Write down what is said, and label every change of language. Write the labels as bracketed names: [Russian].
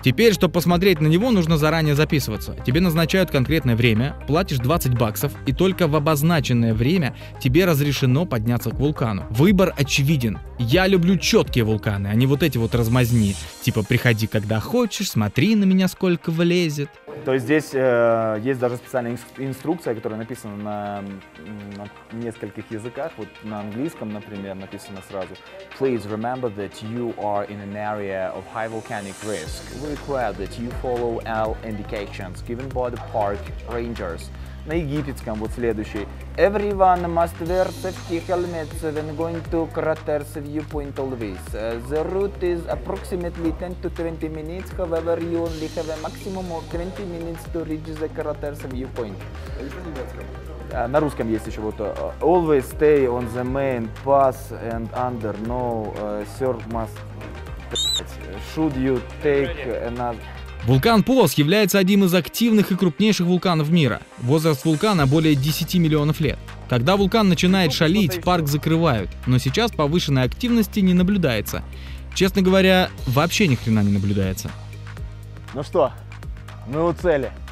[Russian] Теперь, чтобы посмотреть на него, нужно заранее записываться. Тебе назначают конкретное время, платишь 20 баксов, и только в обозначенное время тебе разрешено подняться к вулкану. Выбор очевиден. Я люблю четкие вулканы, а не вот эти вот размазни. Типа, приходи когда хочешь, смотри на меня сколько влезет. То есть здесь есть даже специальная инструкция, которая написана на нескольких языках. Вот на английском, например, написано сразу: [English] Please remember that you are in an area of high volcanic risk. We require that you follow all indications given by the park rangers. [Russian] На египетском вот следующий: [English] Everyone must wear safety helmets when going to craters viewpoint always. The route is approximately 10 to 20 minutes, however, you only have a maximum of 20 minutes to reach the craters viewpoint. [Russian] На русском есть еще вот [English] Always stay on the main path and under. No, sir, must... Should you take another... [Russian] Вулкан Поос является одним из активных и крупнейших вулканов мира. Возраст вулкана более 10 миллионов лет. Когда вулкан начинает шалить, парк закрывают. Но сейчас повышенной активности не наблюдается. Честно говоря, вообще ни хрена не наблюдается. Ну что, мы у цели.